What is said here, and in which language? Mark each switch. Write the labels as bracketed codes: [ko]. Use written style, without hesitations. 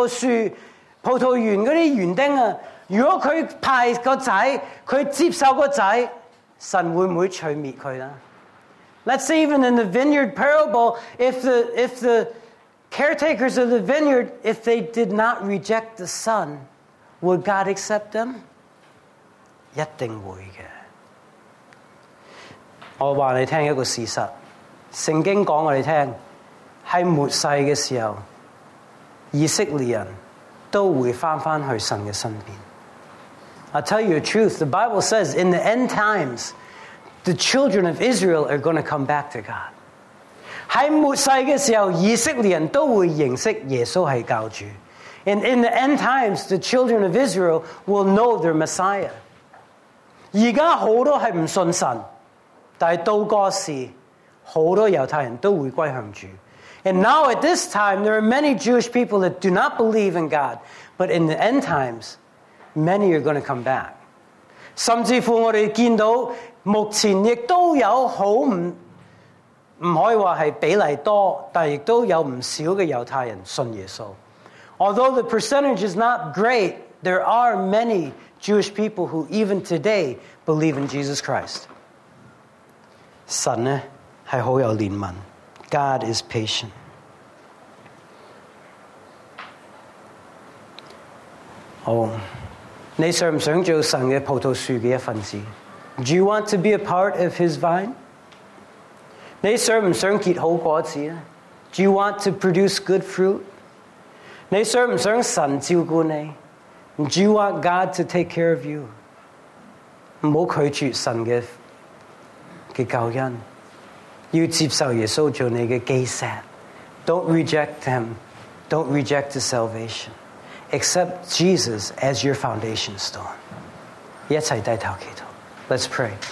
[zh] 就算以色列人葡萄树,葡萄园那些园丁啊, 如果他派个仔,他接受个仔, 神会不会除灭他呢? [en] Let's say even in the vineyard parable, if the caretakers of the vineyard, if they did not reject the son, would God accept them? [zh] 一定会的。我告诉你一个事实,圣经告诉我们,在末世的时候,以色列人都会回到神的身边。 [en] I'll tell you the truth, the Bible says, in the end times, the children of Israel are going to come back to God. [zh] 在末世的时候,以色列人都会认识耶稣是教主。 [en] And in the end times, the children of Israel will know their Messiah. [zh] 现在很多是不信神。 但到那时, 很多猶太人都回歸向主。 [en] And now at this time, there are many Jewish people that do not believe in God. But in the end times, many are going to come back. [zh] 甚至乎我们看到目前也都有很不可以说是比例多，但也都有不少的犹太人信耶稣。 [en] Although the percentage is not great, there are many Jewish people who even today believe in Jesus Christ. [zh] 神呢是很有怜悯。 [en] God is patient. [zh] 你想不想做神的葡萄树的一份子？ [en] Do you want to be a part of his vine? [zh] 你想不想结好果子？ [en] Do you want to produce good fruit? [zh] 你想不想神照顾你？ [en] Do you want God to take care of you? [zh] 不要拒绝神的救恩。要接受耶稣做你的基石。 [en] Don't reject him. Don't reject his salvation. Accept Jesus as your foundation stone. [zh] 一起低头祈祷。 [en] Let's pray.